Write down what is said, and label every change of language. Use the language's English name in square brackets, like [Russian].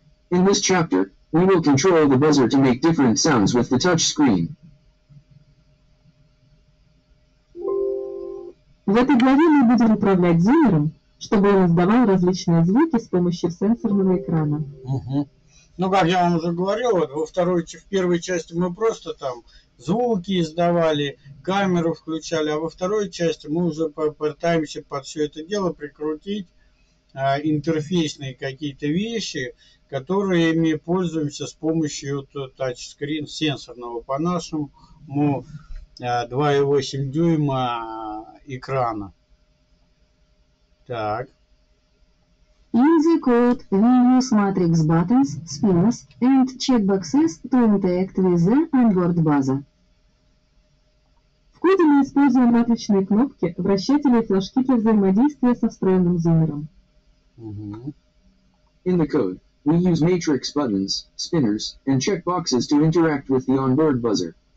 [English] In this chapter, we will control the buzzer to make different sounds with the touch screen. [Russian] В этой главе мы будем управлять зиммером, чтобы он издавал различные звуки с помощью сенсорного экрана. Ну, как я вам уже говорил, вот в первой части мы просто там звуки издавали, камеру включали, а во второй части мы уже попытаемся под все это дело прикрутить интерфейсные какие-то вещи, которые мы пользуемся с помощью тачскрин сенсорного по нашему 2,8 дюйма экрана. Так. [English] In the code, we use matrix buttons, spinners and checkboxes to interact with the onboard buzzer. [Russian] В коде мы используем матричные кнопки, вращатели и флажки для взаимодействия со встроенным зумером. [English] In the code, we use matrix buttons, spinners and checkboxes to interact with the onboard buzzer.